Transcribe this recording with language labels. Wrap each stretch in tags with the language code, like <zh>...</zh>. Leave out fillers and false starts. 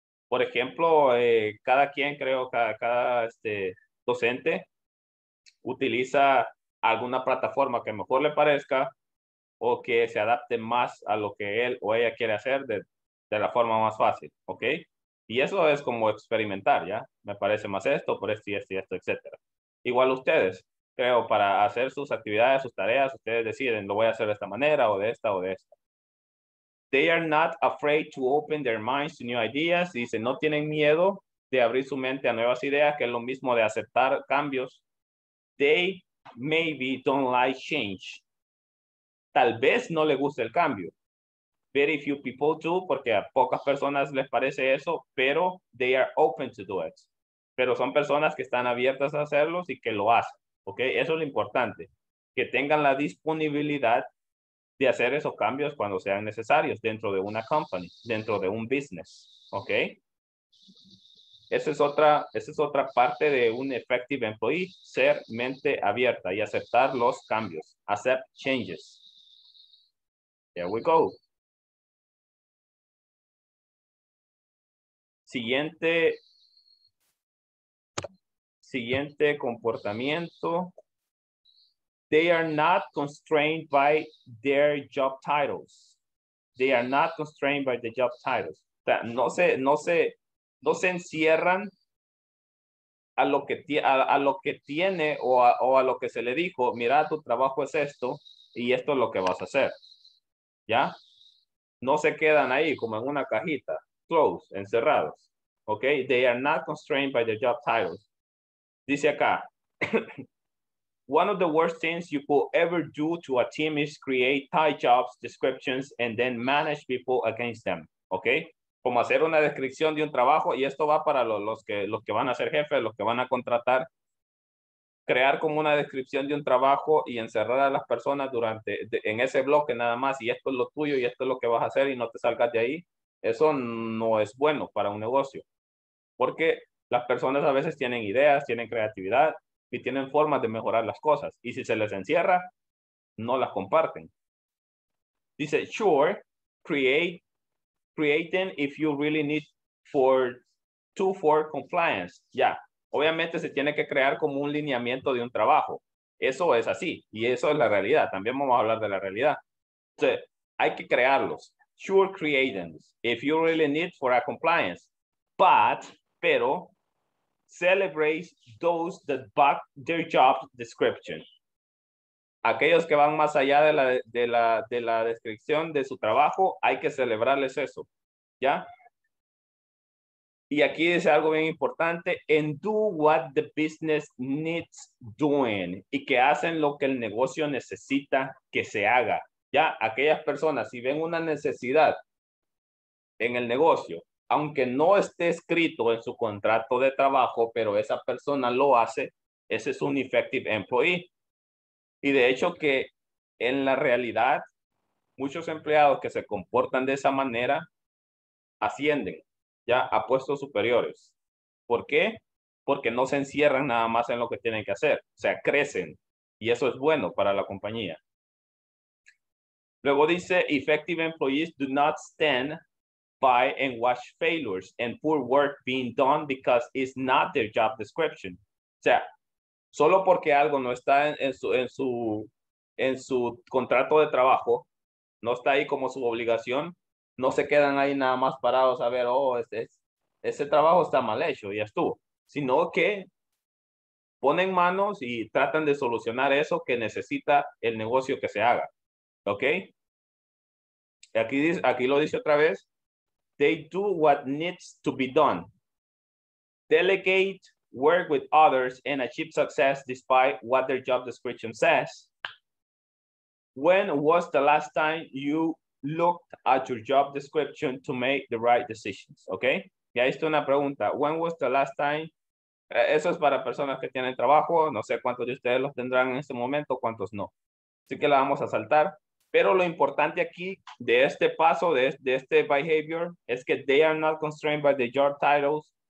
<es>Por ejemplo, cada quien, creo, cada docente utiliza alguna plataforma que mejor le parezca o que se adapte más a lo que él o ella quiere hacer de la forma más fácil, ¿ok? Y eso es como experimentar, ¿ya? Me parece más esto, por esto y esto y esto, etc. Igual ustedes, creo, para hacer sus actividades, sus tareas, ustedes deciden, lo voy a hacer de esta manera o de esta o de esta.</es> <en>They are not afraid to open their minds to new ideas.</en> <es>Dice, no tienen miedo de abrir su mente a nuevas ideas, que es lo mismo de aceptar cambios.</es> <en>They maybe don't like change.</en> <es>Tal vez no le guste el cambio.</es> <en>Very few people do,</en> <es>porque a pocas personas les parece eso, pero</es> <en>they are open to do it.</en> <es>Pero son personas que están abiertas a hacerlos y que lo hacen. Okay? Eso es lo importante, que tengan la disponibilidad de hacer esos cambios cuando sean necesarios dentro de una company, dentro de un business, ¿ok? Esa es otra parte de un</es> <en>effective employee,</en> <es>ser mente abierta y aceptar los cambios,</es> <en>accept changes. There we go.</en> <es>Siguiente comportamiento.</es> <en>They are not constrained by their job titles. They are not constrained by the job titles.</en> <es>O sea, no se encierran a lo que tiene o a lo que se le dijo, mira, tu trabajo es esto y esto es lo que vas a hacer. ¿Ya? No se quedan ahí como en una cajita, closed, encerrados. Okay?</es> <en>They are not constrained by their job titles.</en> <es>Dice acá,</es> <en>one of the worst things you could ever do to a team is create tight jobs descriptions and then manage people against them. Okay?</en> <es>Como hacer una descripción de un trabajo, y esto va para los que van a ser jefes, los que van a contratar. Crear como una descripción de un trabajo y encerrar a las personas en ese bloque nada más, y esto es lo tuyo y esto es lo que vas a hacer y no te salgas de ahí. Eso no es bueno para un negocio. Porque las personas a veces tienen ideas, tienen creatividad, y tienen formas de mejorar las cosas. Y si se les encierra, no las comparten.</es> <en>Dice, sure, creating if you really need for compliance. Ya, yeah.</en> <es>Obviamente se tiene que crear como un lineamiento de un trabajo. Eso es así. Y eso es la realidad. También vamos a hablar de la realidad. O sea, hay que crearlos.</es> <en>Sure, creating if you really need for a compliance. Pero... celebrate those that back their job description.</en> <es>Aquellos que van más allá de la descripción de su trabajo, hay que celebrarles eso, ¿ya? Y aquí dice algo bien importante,</es> <en>and do what the business needs doing,</en> <es>y que hacen lo que el negocio necesita que se haga, ¿ya? Aquellas personas, si ven una necesidad en el negocio, aunque no esté escrito en su contrato de trabajo, pero esa persona lo hace, ese es un</es> <en>effective employee.</en> <es>Y de hecho que en la realidad, muchos empleados que se comportan de esa manera ascienden ya a puestos superiores. ¿Por qué? Porque no se encierran nada más en lo que tienen que hacer. O sea, crecen. Y eso es bueno para la compañía. Luego dice,</es> <en>effective employees do not stand by and watch failures and poor work being done because it's not their job description.</en> <es>O sea, solo porque algo no está en su contrato de trabajo, no está ahí como su obligación, no se quedan ahí nada más parados a ver, ese trabajo está mal hecho, ya estuvo. Sino que ponen manos y tratan de solucionar eso que necesita el negocio que se haga. ¿Ok? Aquí lo dice otra vez.</es> <en>They do what needs to be done. Delegate, work with others, and achieve success despite what their job description says. When was the last time you looked at your job description to make the right decisions? Okay.</en> <es>Ya hice una pregunta.</es> <en>When was the last time?</en> <es>Eso es para personas que tienen trabajo. No sé cuántos de ustedes los tendrán en este momento, cuántos no. Así que la vamos a saltar. Pero lo importante aquí de este paso, de este behavior, es que</es> <en>they are not constrained by the job titles.</en>